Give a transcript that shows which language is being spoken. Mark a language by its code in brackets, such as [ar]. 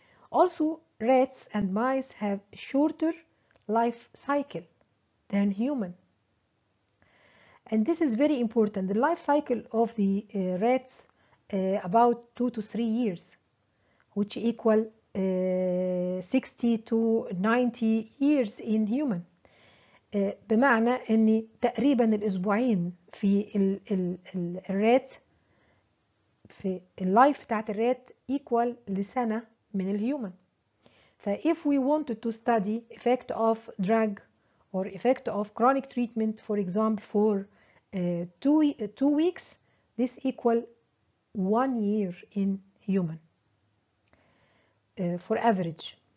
[en] Also, rats and mice have shorter life cycle than human. And this is very important. The life cycle of the rats about 2 to 3 years, which equal 60 to 90 years in human. [ar] بمعنى ان تقريبا الاسبوعين في الرات في اللايف بتاعت الرات equal لسنه من الهيومن. [en] ف if we wanted to study effect of drug or effect of chronic treatment, for example, for two weeks, this equal 1 year in human for average.